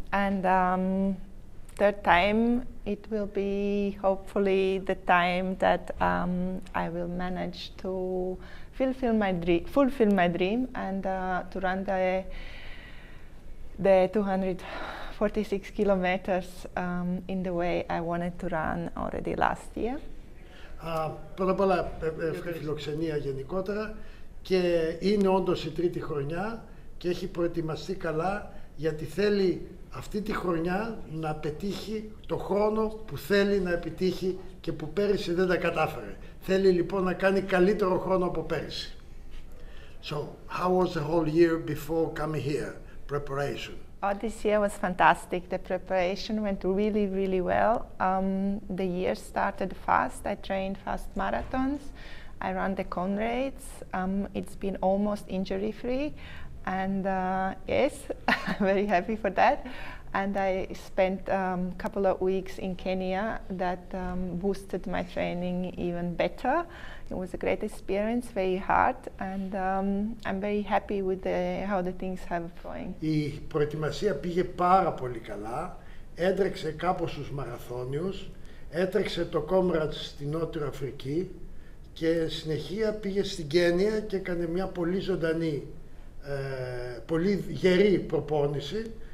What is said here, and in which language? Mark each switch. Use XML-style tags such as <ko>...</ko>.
<en>And third time, it will be hopefully the time that I will manage to fulfill my dream and to run the 246 kilometers in the way I wanted to run already last year.</en> <el>Πρώτα απ' όλα, εύχομαι φιλοξενία γενικότερα και είναι όντως η τρίτη χρονιά και έχει προετοιμαστεί καλά γιατί θέλει αυτή τη χρονιά να πετύχει το χρόνο που θέλει να επιτύχει και που πέρυσι δεν τα κατάφερε. Θέλει λοιπόν να κάνει καλύτερο χρόνο από πέρυσι.</el> <en>So, how was the whole year before coming here? Preparation. Oh, this year was fantastic. The preparation went really, really well. The year started fast. I trained fast marathons. I ran the Conrades. It's been almost injury-free. And yes, very happy for that. And I spent a couple of weeks in Kenya that boosted my training even better. It was a great experience, very hard, and I'm very happy with how the things have going.</en> <el>Η προετοιμασία πήγε πάρα πολύ καλά. Έτρεξε κάπως τους μαραθώνιους, έτρεξε το Comrades στη Νότια Αφρική και συνεχεία πήγε στην Κένια και έκανε μια πολύ ζωντανή, πολύ γερή προπόνηση.</el>